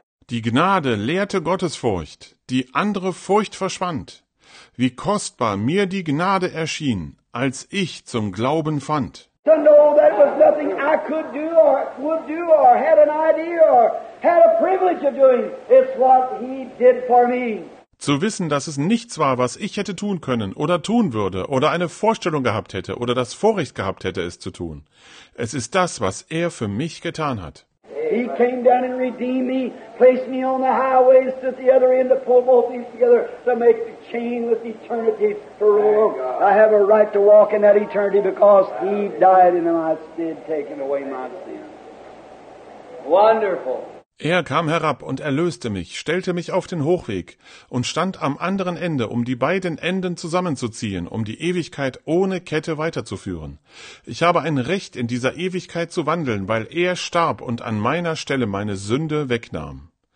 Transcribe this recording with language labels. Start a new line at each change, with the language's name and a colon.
German: Die Gnade lehrte Gottesfurcht, die andere Furcht verschwand. Wie kostbar mir die Gnade erschien, als ich zum Glauben fand.
English: To know that was nothing I could do or would do or had an idea or had a privilege of doing. It's what he did for me.
German: Zu wissen, dass es nichts war, was ich hätte tun können oder tun würde oder eine Vorstellung gehabt hätte oder das Vorrecht gehabt hätte, es zu tun. Es ist das, was er für mich getan hat.
English: He came down and redeemed me, placed me on the highways at the other end to pull both these together to make the chain with eternity for all. I have a right to walk in that eternity because he died in my stead, taking away my sin. Wonderful.
German: Er kam herab und erlöste mich, stellte mich auf den Hochweg und stand am anderen Ende, um die beiden Enden zusammenzuziehen, um die Ewigkeit ohne Kette weiterzuführen. Ich habe ein Recht, in dieser Ewigkeit zu wandeln, weil er starb und an meiner Stelle meine Sünde wegnahm.